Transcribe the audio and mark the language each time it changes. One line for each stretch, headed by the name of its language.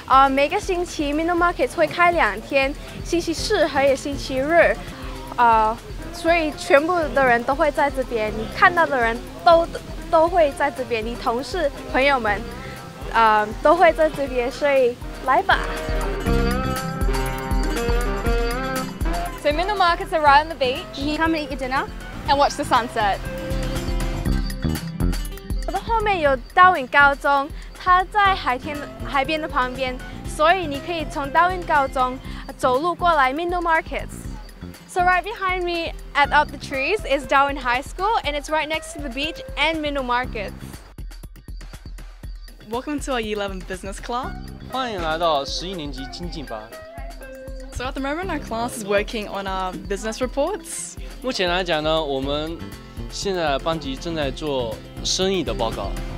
Chinese: 每个星期 Middle Markets 会开两天，星期四和也星期日，所以全部的人都会在这边，你看到的人都会在这边，你同事朋友们，都会在这边，所以来吧。
English: So Middle Markets are right on the beach. You come and eat your dinner and watch the sunset.
Chinese: 我的后面有 Darwin 高中。它在海边的旁边，所以你可以从 Darwin 高中走路过来 Middle Markets.
English: So right behind me at Up the Trees is Darwin High School, and it's right next to the beach and Middle Markets. Welcome to our Year 11 Business Class.
Chinese: 欢迎来到十一年级经济班。
English: So at the moment, our class is working on our business reports.
Chinese: 目前来讲呢，我们现在班级正在做生意的报告。